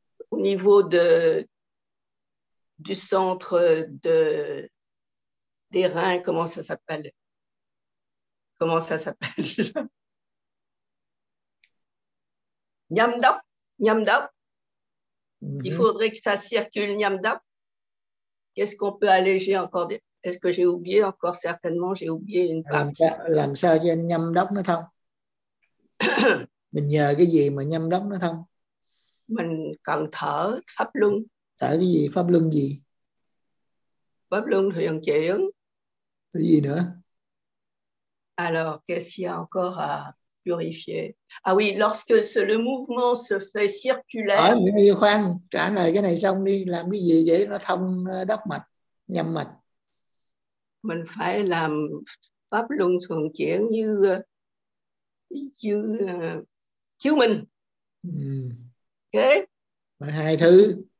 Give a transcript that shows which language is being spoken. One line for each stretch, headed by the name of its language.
French: Au niveau de, du centre de, des reins, comment ça s'appelle? Comment ça s'appelle? Nyamdap, nyamdap. Mm-hmm. Il faudrait que ça circule nyamdap. Qu'est-ce qu'on peut alléger encore? Est-ce que j'ai oublié encore? Certainement, j'ai oublié une partie.
Vietnamese: Làm sao cho nyamdap nó thông? Mình nhờ cái gì mà nyamdap nó thông? Mình cần thở pháp luân. Thở cái gì? Pháp luân gì? Pháp luân thuyền chuyển. Cái gì nữa?
French: Alors, qu'est-ce qu'il y a encore à purifier? Ah oui, lorsque ce, le mouvement se fait circulaire...
Vietnamese: Ah, khoan, trả lời cái này xong đi. Làm cái gì vậy? Nó thông đốc mạch, nhâm mạch. Mình phải làm pháp luân thuyền chuyển như... chiếu mình. Okay. Hai thứ.